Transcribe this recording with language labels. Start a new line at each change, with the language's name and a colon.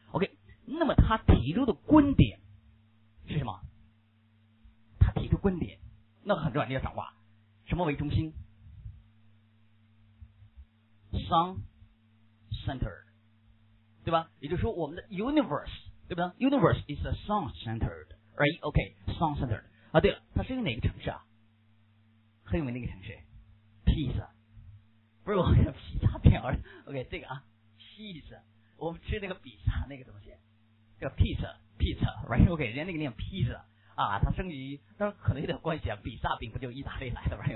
Chinese: OK， 那么他提出的观点是什么？他提出观点，那很重要，你要掌握什么为中心 ？Sun center， 对吧？也就是说我们的 universe。对不对
English: ？Universe is a sun centered, right? Okay, sun centered.
Chinese: 啊，对了，它是一个哪个城市啊？很有名的一个城市 ，Pisa。不是我们的披萨饼而 ，OK， 这个啊 ，Pisa。我们吃那个比萨那个东西，叫 Pizza, right? Okay, 人家那个念 Pisa 啊，它生于，当然可能有点关系啊，比萨饼不就意大利来的 ，right?